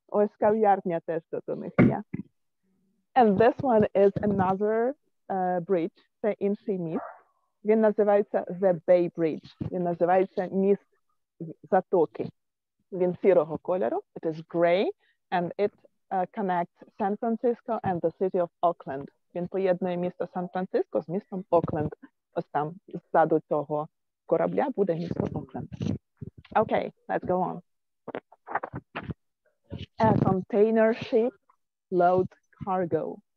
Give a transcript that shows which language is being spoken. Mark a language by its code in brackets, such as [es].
[uk] Ось кав'ярня теж тут у них є. [en] And this one is another bridge. [uk] Це інший міст. Він називається The Bay Bridge. Він називається міст Затоки. Він сірого кольору. [en] It is gray and it connects San Francisco and the city of Oakland. [uk] Він поєднує місто Сан-Франциско з містом Окленд. Ось там, ззаду цього корабля буде місто Окленд. [en] Okay, let's go on. A container ship load cargo.